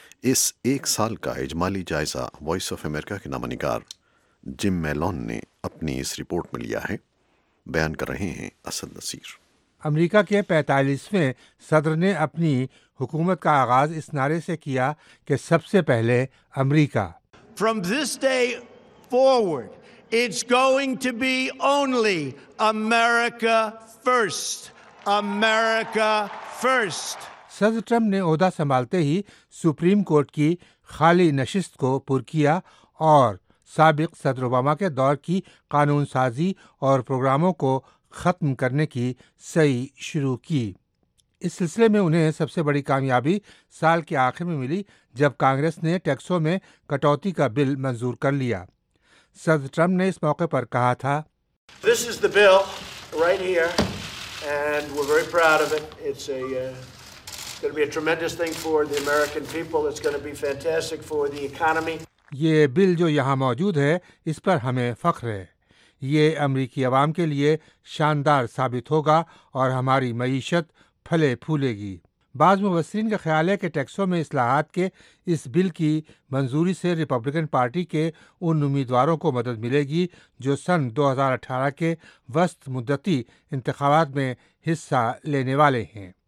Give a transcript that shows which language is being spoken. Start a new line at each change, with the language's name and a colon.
Urdu: اس 1 سال کا اجمالی جائزہ وائس آف امریکہ کے نامہ نگار جم میلون نے اپنی اس رپورٹ میں لیا ہے. بیان کر رہے ہیں اسد نصیر. امریکہ کے 45ویں صدر نے اپنی حکومت کا آغاز اس نعرے سے کیا کہ سب سے پہلے امریکہ.
English: From this day forward, it's going to be only America first. America first.
Urdu: صدر ٹرمپ نے عہدہ سنبھالتے ہی سپریم کورٹ کی خالی نشست کو پر کیا اور سابق صدر اوباما کے دور کی قانون سازی اور پروگراموں کو ختم کرنے کی سعی شروع کی. اس سلسلے میں انہیں سب سے بڑی کامیابی سال کے آخر میں ملی, جب کانگریس نے ٹیکسوں میں کٹوتی کا بل منظور کر لیا. صدر ٹرمپ نے اس موقع پر کہا تھا,
English: This is the bill right here and we're very proud of it. It's a going to be a tremendous thing for the American people. It's going to be fantastic for the economy.
Urdu: یہ بل جو یہاں موجود ہے اس پر ہمیں فخر ہے. یہ امریکی عوام کے لیے شاندار ثابت ہوگا اور ہماری معیشت پھلے پھولے گی. بعض مبصرین کا خیال ہے کہ ٹیکسوں میں اصلاحات کے اس بل کی منظوری سے ریپبلکن پارٹی کے ان امیدواروں کو مدد ملے گی جو سن 2018 کے وسط مدتی انتخابات میں حصہ لینے والے ہیں.